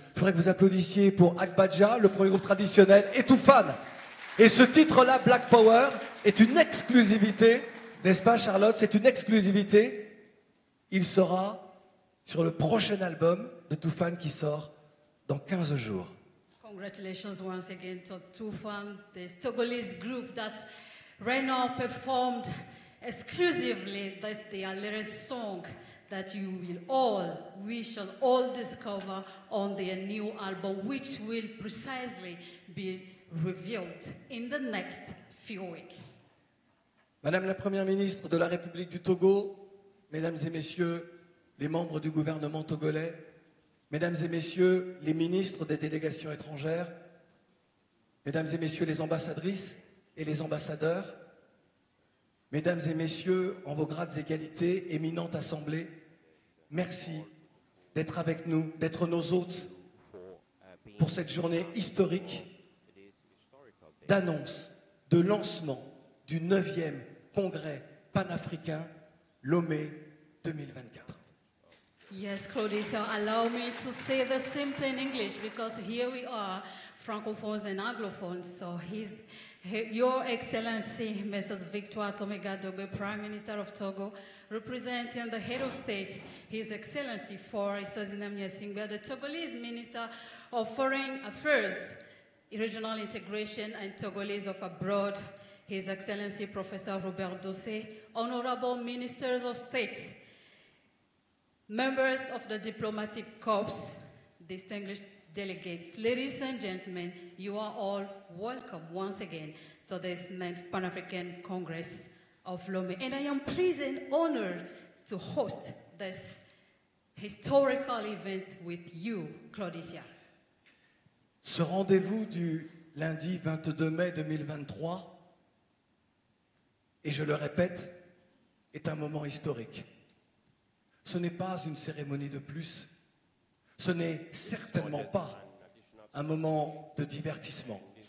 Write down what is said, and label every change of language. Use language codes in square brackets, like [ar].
[fr] Je voudrais que vous applaudissiez pour Agbaja, le premier groupe traditionnel, et Toufan. Et ce titre-là, Black Power, est une exclusivité, n'est-ce pas Charlotte? C'est une exclusivité. Il sera sur le prochain album de Toufan qui sort dans 15 jours. [en] Congratulations once again to Toufan, this Togolese group that right now performed exclusively this their latest song that you will all, we shall all discover on their new album, which will precisely be revealed in the next few weeks. [fr] Madame la Première Ministre de la République du Togo, mesdames et messieurs les membres du gouvernement togolais, mesdames et messieurs les ministres des délégations étrangères, mesdames et messieurs les ambassadrices et les ambassadeurs, mesdames et messieurs en vos grades égalité, éminente assemblée, merci d'être avec nous, d'être nos hôtes pour cette journée historique d'annonce, de lancement du 9e congrès panafricain Lomé 2024. [en] Yes, Claudicia, allow me to say the same thing in English because here we are, Francophones and Anglophones. So Your Excellency, Mrs. Victoire Tomegadogbe, Prime Minister of Togo, representing the Head of State, His Excellency Faure Sozinam Nyasingbe, the Togolese Minister of Foreign Affairs, Regional Integration and Togolese of Abroad, His Excellency Professor Robert Dossé, Honorable Ministers of State, members of the diplomatic corps, distinguished delegates, ladies and gentlemen, you are all welcome once again to this 9th Pan-African Congress of Lomé. And I am pleased and honored to host this historical event with you, Claudicia. [fr] Ce rendez-vous du lundi 22 mai 2023, et je le répète, est un moment historique. Ce n'est pas une cérémonie de plus, ce n'est certainement pas un moment de divertissement.